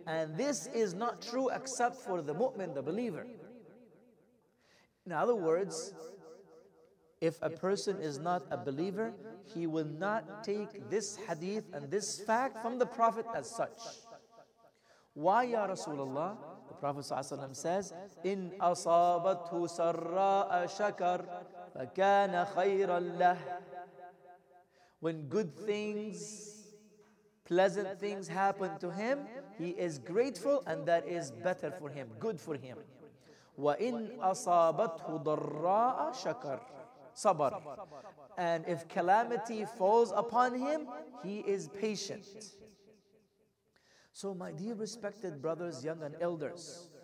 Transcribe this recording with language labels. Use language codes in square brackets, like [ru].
[en] And this is not true except for the mu'min, the believer. In other words, if a person is not a believer, he will not take this hadith and this fact from the Prophet as such. Why, Ya Rasulullah? The Prophet ﷺ says, [ar] إِنْ أَصَابَتْهُ سَرَّاءَ شَكَرْ فَكَانَ خَيْرًا لَهُ. [en] When good things, pleasant things happen to him, he is grateful and that is better for him, good for him. [ar] وَإِنْ أَصَابَتْهُ ضَرَّاءَ شَكَرْ صَبَرْ. [en] And if calamity falls upon him, he is patient. So my dear respected brothers, young and elders,